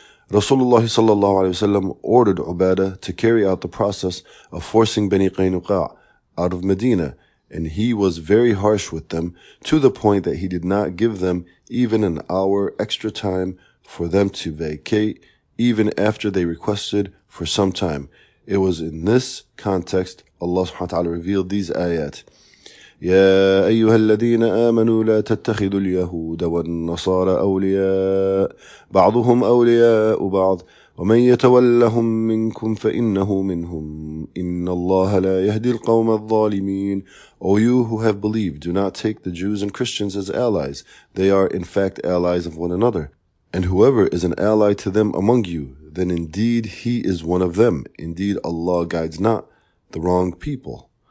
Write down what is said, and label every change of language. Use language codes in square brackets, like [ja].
[en] Rasulullah sallallahu alaihi wasallam ordered Ubadah to carry out the process of forcing Bani Qaynuqa out of Medina, and he was very harsh with them to the point that he did not give them even an hour extra time for them to vacate, even after they requested for some time. It was in this context Allah subhanahu wa ta'ala revealed these ayat. [ar] يا أيها الذين آمنوا لا تتخذوا اليهود والنصارى أولياء بعضهم أولياء بعض ومن يتولهم منكم فإنه منهم إن الله لا يهدي القوم الظالمين. [en] O you who have believed, do not take the Jews and Christians as allies. They are in fact allies of one another. And whoever is an ally to them among you, then indeed he is one of them. Indeed Allah guides not the wrong people.